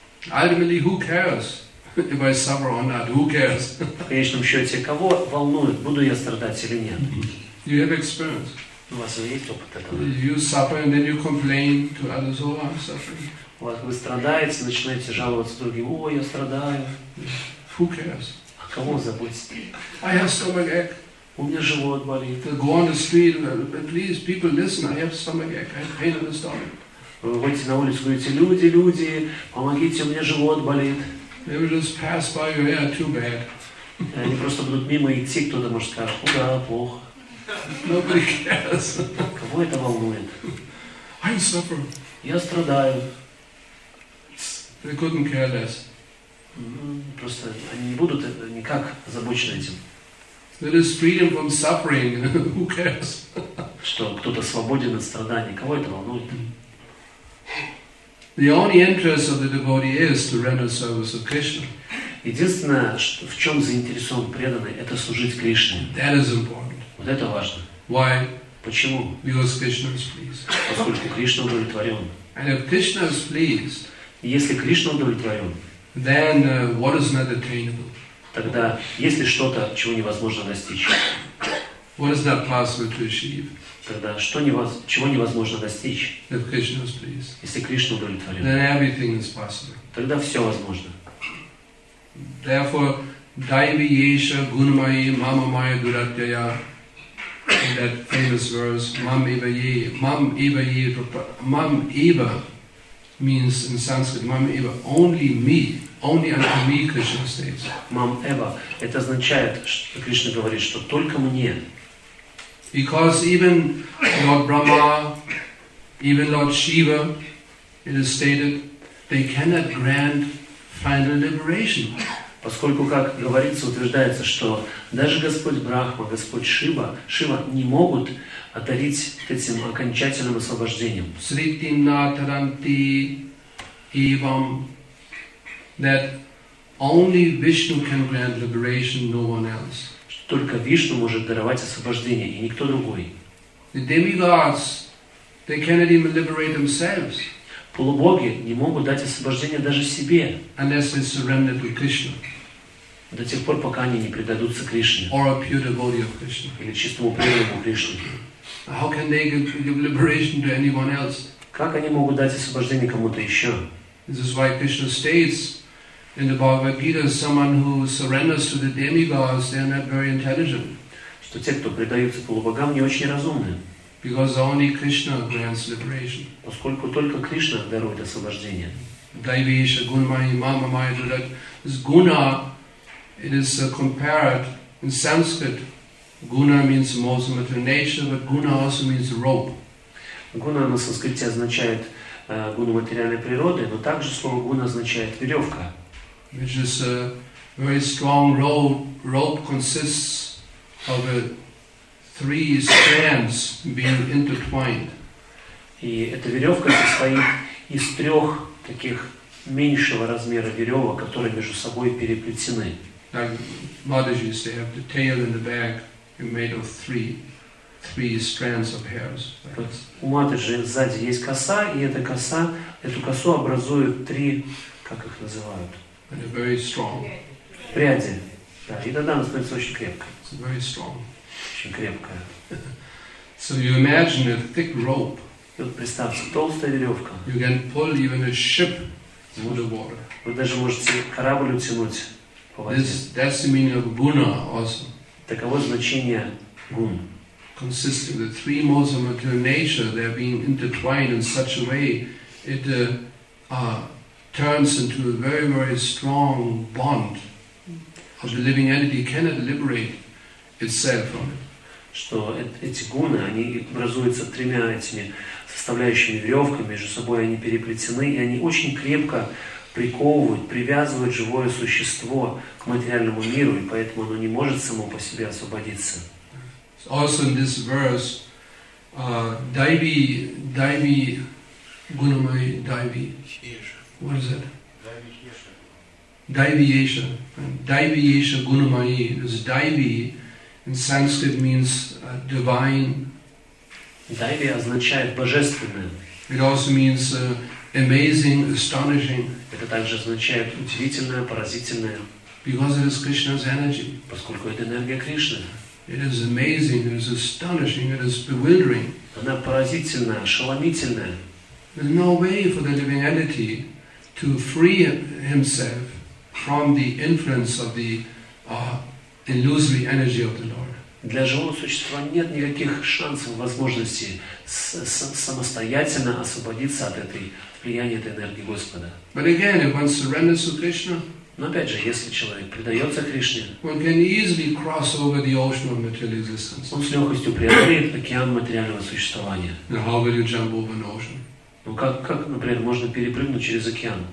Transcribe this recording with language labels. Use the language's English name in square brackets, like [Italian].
[English] Ultimately, who cares if I suffer or not? Who cares? [Russian] В конечном счете, кого волнует, буду я страдать или нет? [English] You have experience. [Russian] У вас есть опыт этого. [English] You suffer and then you complain to others, oh, I'm suffering. [Russian] Вот вы страдаете, начинаете жаловаться другим, о, я страдаю. [English] Who cares? [Russian] А кого заботит? [English] I have stomachache. [Russian] У меня живот болит. [English] Go on the street, please, people listen, I have stomachache, I have pain in the stomach. [Russian] Вы выходите на улицу, говорите, люди, люди, помогите, у меня живот болит. [English] They will just pass by you, yeah, too bad. [Russian] Они просто будут мимо идти, кто-то может сказать, о, да, плохо. [English] Nobody cares. [Russian] Кого это волнует? [English] I'm suffering. [Russian] Я страдаю. [English] They couldn't care less. [Russian] Просто они не будут никак озабочены этим. [English] There is freedom from suffering. Who cares? [Russian] Что кто-то свободен от страданий. Кого это волнует? [English] The only interest of the devotee is to render service to Krishna. [Russian] Единственное, в чем заинтересован преданный, это служить Кришне. [English] That is important. [Russian] Вот это важно. [English] Why? [Russian] Почему? [English] Because Krishna is pleased. [Russian] Поскольку Кришна удовлетворен. [English] And if Krishna is pleased, [Russian] если Кришна удовлетворен, [English] then what is not attainable? [Russian] Тогда есть ли что-то, чего невозможно достичь? [English] What is not possible to achieve? [Russian] Тогда что чего невозможно достичь? [English] If Krishna is pleased. [Russian] Если Кришна удовлетворен. [English] Then everything is possible. [Russian] Тогда все возможно. [Sanskrit] Therefore, Daivi Yesha Gunamayi Mama Maya Duratyaya. [English] In that famous verse, Mam Eva means in Sanskrit, Mam Eva, only me, only unto me Krishna states. [Russian] Mam Eva, it означает, что Кришна говорит, что только мне. [English] Because even Lord Brahma, even Lord Shiva, it is stated, they cannot grant final liberation. [Russian] Поскольку, как говорится, утверждается, что даже Господь Брахма, Господь Шива не могут одарить этим окончательным освобождением. [Sanskrit] Sritim nataranti evam, [English] that only Vishnu can grant liberation, no one else. [Russian] Только Вишну может даровать освобождение, и никто другой. [English] The demigods, they cannot even liberate themselves. [Russian] Полубоги не могут дать освобождение даже себе. [English] Unless they surrender to Krishna. [Russian] До тех пор, пока они не предадутся Кришне. [English] Or a pure devotee of Krishna. [Russian] Или чистому преданному Кришне. [English] How can they give liberation to anyone else? [Russian] Как они могут дать освобождение кому-то еще? [English] This is why Krishna states in the Bhagavad Gita, someone who surrenders to the demigods, they are not very intelligent. [Russian] Что те, кто предаются полубогам, не очень разумны. [English] Because only Krishna grants liberation. [Russian] Поскольку только Кришна дарует освобождение. [Sanskrit] Daivisha Gunmani Mama Maya Dudat. [English] This guna, it is compared in Sanskrit. Guna means most mature nature, but guna also means rope. [Russian] Guna на санскрите означает гуну материальной природы, но также слово guna означает веревка. [English] Which is a very strong rope. Rope consists of a three strands being intertwined. [Russian] И эта веревка состоит из трех таких меньшего размера веревок, которые между собой переплетены. [English] Like Madhuji used to have the tail in the back made of three strands of hairs. [Russian] Вот у Madhuji сзади есть коса, и эта коса, эту косу образуют три, как их называют? [English] And they're very strong. [Russian] Пряди. Да, и тогда она становится очень крепкой. [English] It's very strong. [Russian] Очень крепкая. [English] So you imagine a thick rope. [Russian] И вот представьте, толстая веревка. [English] You can pull even a ship through the water. [Russian] Вы даже можете корабль утянуть по воде. [English] That's the meaning of guna also. [Russian] Таково значение гун. [English] Consisting of the three modes of material nature, they're being intertwined in such a way it turns into a very, very strong bond of the living entity cannot liberate itself from it. [Russian] Что эти гуны, они образуются тремя этими составляющими веревками, между собой они переплетены, и они очень крепко приковывают, привязывают живое существо к материальному миру, и поэтому оно не может само по себе освободиться. [English] Also in this verse, Daivi, Gunamai Daivi, what is it? Daiviyesha. Daiviyesha Gunamai. This Daivi in Sanskrit means divine. [Russian] Daivi означает божественное. [English] It also means amazing, astonishing. [Russian] Это также означает удивительное, поразительное. [English] Because it is Krishna's energy. [Russian] Поскольку это энергия Кришны. [English] It is amazing, it is astonishing, it is bewildering. [Russian] Она поразительная, ошеломительная. [English] There's no way for the living entity to free himself from the influence of the illusory energy of the Lord. [Russian] Для живого существа нет никаких шансов, возможности самостоятельно освободиться от этой влияния этой энергии Господа. [English] But again, if one surrenders to Krishna, [Russian] но опять же, если человек предается Кришне, [English] one can easily cross over the ocean of material existence. [Russian] Он с легкостью преодолеет океан материального существования. [English] Now how will you jump over an ocean? [Russian] Ну как, например, можно перепрыгнуть через океан?